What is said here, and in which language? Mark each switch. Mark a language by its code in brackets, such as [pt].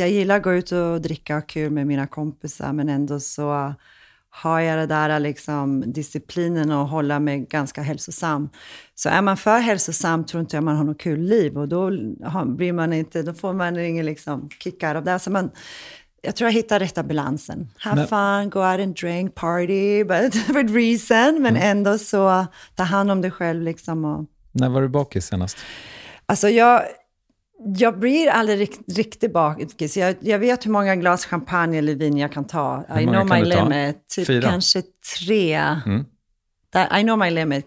[sv] Jag gillar att gå ut och dricka och kul med mina kompisar. Men ändå så har jag det där liksom disciplinen och hålla mig ganska hälsosam. Så är man för hälsosam tror inte jag man har något kul liv. Och då blir man inte... Då får man ingen liksom kick out of that. Så man... Jag tror jag hittar rätta balansen. [en] Have fun, go out and drink, party, but for reason. [sv] Men ändå så ta hand om dig själv. Liksom och... När var du bakis senast? Alltså jag blir aldrig riktigt bakis. Jag vet hur många glas champagne eller vin jag kan ta. [en] I know my limit. Typ [sv] fyra. [en] Kanske tre. I know my limit.